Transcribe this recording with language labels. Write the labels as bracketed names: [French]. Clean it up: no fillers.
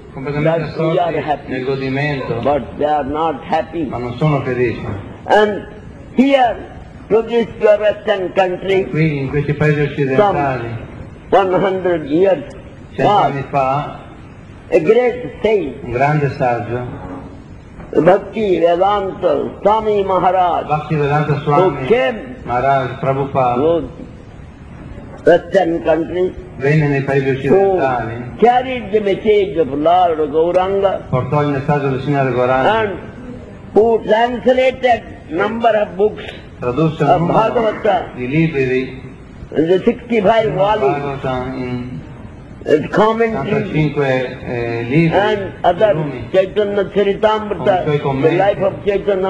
[Italian] completamente assorti nel godimento, [English] but they are not happy, [Italian] ma non sono felici. [English] And here, to this Western country, [Italian] e qui in questi paesi occidentali, [English] 100 years, [Italian] 100 anni fa, [English] a great saint, [Italian] un grande saggio, [English] Bhakti Vedanta Swami Maharaj, Bhakti Vedanta Swami came, Maharaj Prabhupada, Western country, [Italian] venne nei paesi occidentali, [English] carried the message of Lord Gauranga, [Italian] portò il messaggio del Signore Gauranga, [English] and who translated number of books, [Italian] tradusse [English] of Bhagavata, [Italian] di libri, [English] the 65 volumes, it commented, and other Chaitanya Charitamrita, the life of Chaitanya